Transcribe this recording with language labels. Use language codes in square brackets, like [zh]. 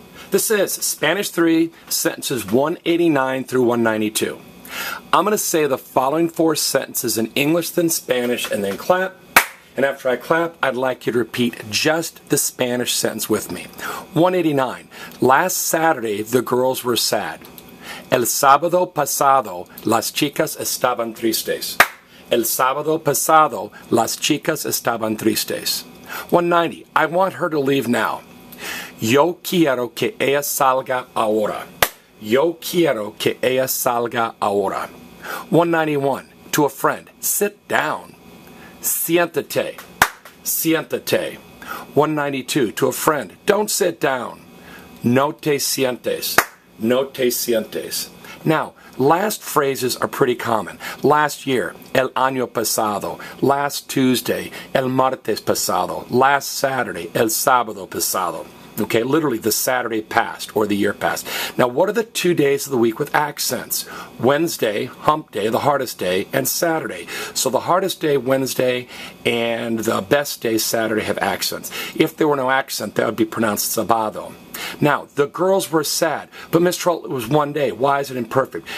[en] This is Spanish 3, sentences 189 through 192. I'm going to say the following four sentences in English, then Spanish, and then clap. And after I clap, I'd like you to repeat just the Spanish sentence with me. 189. Last Saturday, the girls were sad. [es] El sábado pasado, las chicas estaban tristes. El sábado pasado, las chicas estaban tristes. 190. [en] I want her to leave now. [es] Yo quiero que ella salga ahora. Yo quiero que ella salga ahora. [en] 191. To a friend, sit down. [es] Siéntate. Siéntate. [en] 192. To a friend, don't sit down. [es] No te sientes. No te sientes. [en] Now, last phrases are pretty common. Last year, [es] el año pasado, [en] last Tuesday, [es] el martes pasado, [en] last Saturday, [es] el sábado pasado. [en] Okay, literally the Saturday past or the year past. Now, what are the 2 days of the week with accents? Wednesday, hump day, the hardest day, and Saturday. So the hardest day, Wednesday, and the best day, Saturday, have accents. If there were no accent, that would be pronounced sabado. Now, the girls were sad, but Miss Troll, it was one day. Why is it imperfect?